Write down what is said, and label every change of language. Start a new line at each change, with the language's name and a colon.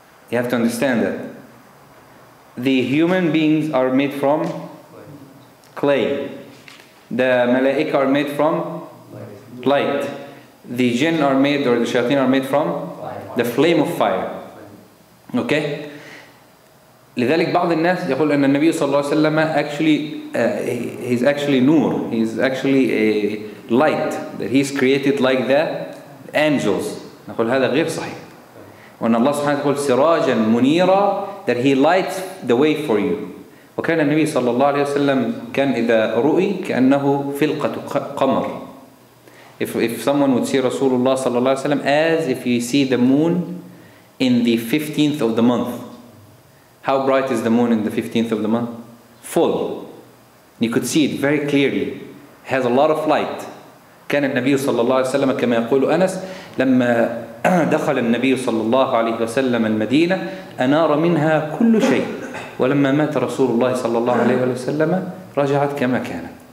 English: You have to understand that. The human beings are made from clay. The malaika are made from light. The jinn are made, or the shayateen are made from the flame of fire. Okay?
Arabic: لذلك بعض الناس يقول أن النبي صلى الله عليه وسلم
English: he's actually
Arabic: نور.
English: He's actually a light. That he's created like the angels.
Arabic: نقول هذا غير صحيح. وأن الله سبحانه يقول سراجا منيرا,
English: that he lights the way for you.
Arabic: وكان النبي صلى الله عليه وسلم كان إذا رؤي كأنه فلقة قمر.
English: If someone would see Rasulullah
Arabic: صلى الله عليه وسلم
English: as if you see the moon in the 15th of the month. How bright is the moon in the 15th of the month? Full. You could see it very clearly. It has a lot of light.
Arabic: كان النبي صلى الله عليه وسلم كما يقول أنس لما دخل النبي صلى الله عليه وسلم المدينة أنار منها كل شيء. ولما مات رسول الله صلى الله عليه وسلم رجعت كما كانت.